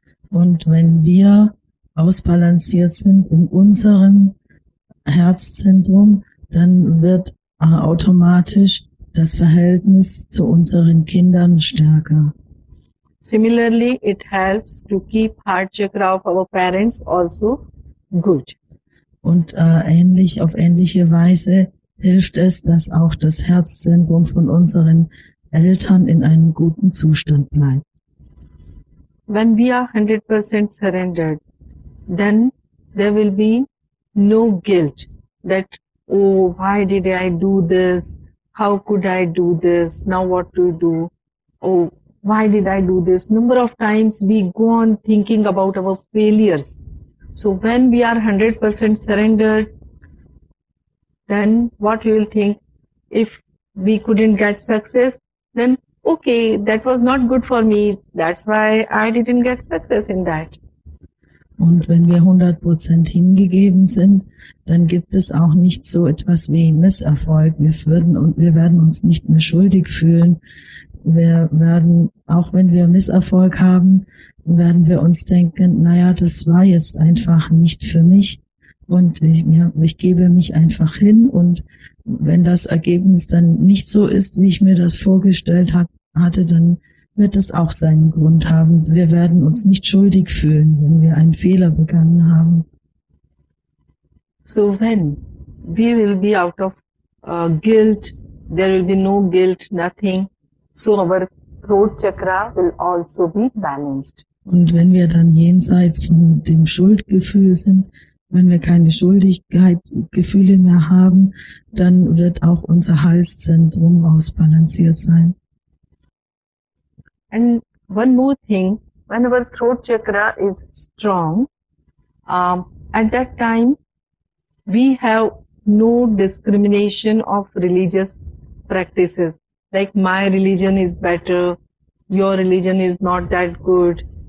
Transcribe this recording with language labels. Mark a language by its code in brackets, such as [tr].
[de] Und wenn wir ausbalanciert sind in unserem Herzzentrum, dann wird automatisch das Verhältnis zu unseren Kindern stärker. [en] Similarly, it helps to keep heart chakra of our parents also good. [de] Und auf ähnliche Weise hilft es, dass auch das Herzzentrum von unseren Eltern in einem guten Zustand bleibt. [en] When we are 100% surrendered, then there will be no guilt that, oh, why did I do this? How could I do this? Now what to do? Oh, why did I do this? Number of times we go on thinking about our failures. So when we are 100% surrendered, then what we will think? If we couldn't get success, then okay, that was not good for me. That's why I didn't get success in that. [de] Und wenn wir 100% hingegeben sind, dann gibt es auch nicht so etwas wie Misserfolg. Wir werden uns nicht mehr schuldig fühlen. Wir werden, auch wenn wir Misserfolg haben, werden wir uns denken, naja, das war jetzt einfach nicht für mich. Und ich gebe mich einfach hin. Und wenn das Ergebnis dann nicht so ist, wie ich mir das vorgestellt hatte, dann wird es auch seinen Grund haben. Wir werden uns nicht schuldig fühlen, wenn wir einen Fehler begangen haben. [en] So when we will be out of guilt, there will be no guilt, nothing. So our throat chakra will also be balanced. [de] Und wenn wir dann jenseits von dem Schuldgefühl sind, wenn wir keine Schuldigkeitsgefühle mehr haben, dann wird auch unser Halszentrum ausbalanciert sein. [en] And one more thing, when our throat chakra is strong, at that time, we have no discrimination of religious practices. Like my religion is better, your religion is not that good.